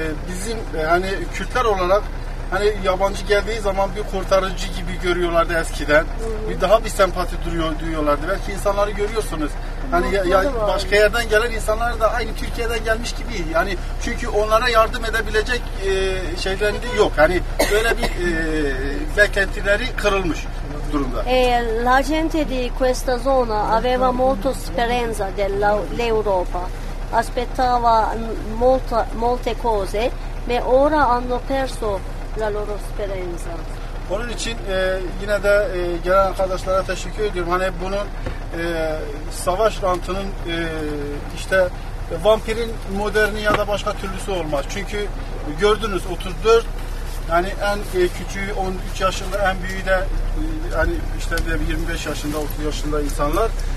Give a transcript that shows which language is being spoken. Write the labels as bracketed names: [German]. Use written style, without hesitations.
[Turkish] Bizim hani Kürtler olarak hani yabancı geldiği zaman bir kurtarıcı gibi görüyorlardı eskiden. Hı-hı. Daha bir sempati duyuyorlardı. Belki insanları görüyorsunuz. Hani başka yerden gelen insanlar da aynı Türkiye'den gelmiş gibi. Yani çünkü onlara yardım edebilecek şeylerinde yok. Hani böyle bir beklentileri kırılmış durumda. [Italian] La gente di questa zona aveva molto speranza dell'Europa. Aspettava molte cose, ma ora hanno perso la loro speranza. [Turkish] Onun için yine de gelen arkadaşlara teşekkür ediyorum. Hani bunun savaş rantının işte vampirin moderni ya da başka türlüsü olmaz. Çünkü gördünüz 34 Yani en küçüğü 13 yaşında, en büyüğü de yani işte 25 yaşında, 30 yaşında insanlar.